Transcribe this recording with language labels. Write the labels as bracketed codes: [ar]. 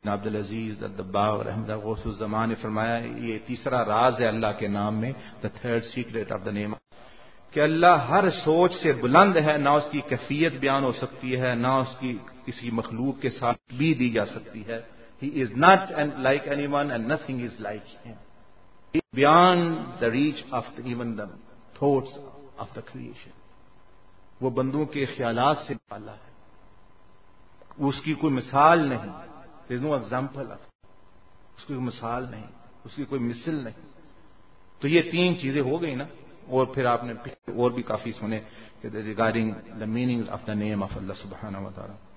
[ur] عبد العزیز الدباغ رحمۃ اللہ غوث الزمان نے فرمایا یہ تیسرا راز ہے اللہ کے نام میں، [en] the third secret of the name, [ur] کہ اللہ ہر سوچ سے بلند ہے، نہ اس کی کیفیت بیان ہو سکتی ہے، نہ اس کی کسی مخلوق کے ساتھ بھی دی جا سکتی ہے. [en] He is not like anyone and nothing is like him, beyond the reach of the even the thoughts of the creation. [ur] وہ بندوں کے خیالات سے بالا ہے، اس کی کوئی مثال نہیں، [en] there is no example, [ur] اس کی کوئی مثال نہیں، اس کی کوئی مثل نہیں. تو یہ تین چیزیں ہو گئی نا، اور پھر آپ نے اور بھی کافی سنے کہ [en] regarding the meaning of the name of [ur] اللہ سبحانہ و تعالی.